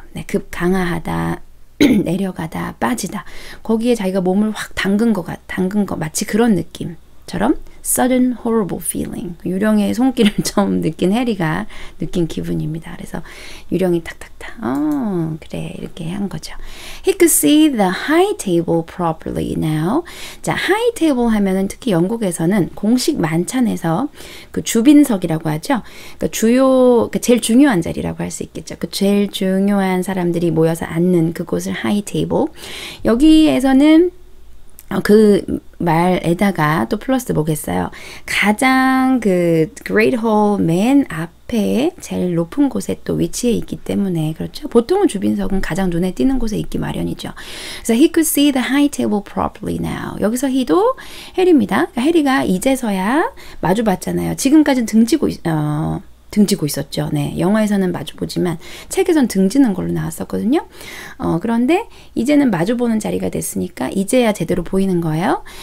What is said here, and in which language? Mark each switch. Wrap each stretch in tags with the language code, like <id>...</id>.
<ko>네, 급강하하다. 내려가다, 빠지다. 거기에 자기가 몸을 확 담근 것 같, 담근 것, 마치 그런 느낌처럼</ko> <en>sudden horrible feeling.</en> <ko>유령의 손길을 처음 느낀 해리가 느낀 기분입니다. 그래서 유령이 탁탁탁, 그래, 이렇게 한 거죠.</ko> <en>He could see the high table properly now.</en> <ko>자, high table 하면은 특히 영국에서는 공식 만찬에서 그 주빈석이라고 하죠. 그러니까 주요, 그 제일 중요한 자리라고 할 수 있겠죠. 그 제일 중요한 사람들이 모여서 앉는 그곳을 high table. 여기에서는 그 말에다가 또 플러스 뭐겠어요? 가장 그 Great Hall 맨 앞에 제일 높은 곳에 또 위치해 있기 때문에 그렇죠? 보통은 주빈석은 가장 눈에 띄는 곳에 있기 마련이죠. 그래서</ko> <en>he could see the high table properly now.</en> <ko>여기서 he도 해리입니다. 그러니까 해리가 이제서야 마주 봤잖아요. 지금까지는 등지고 있었죠. 네, 영화에서는 마주보지만 책에선 등지는 걸로 나왔었거든요. 그런데 이제는 마주보는 자리가 됐으니까 이제야 제대로 보이는 거예요.</ko>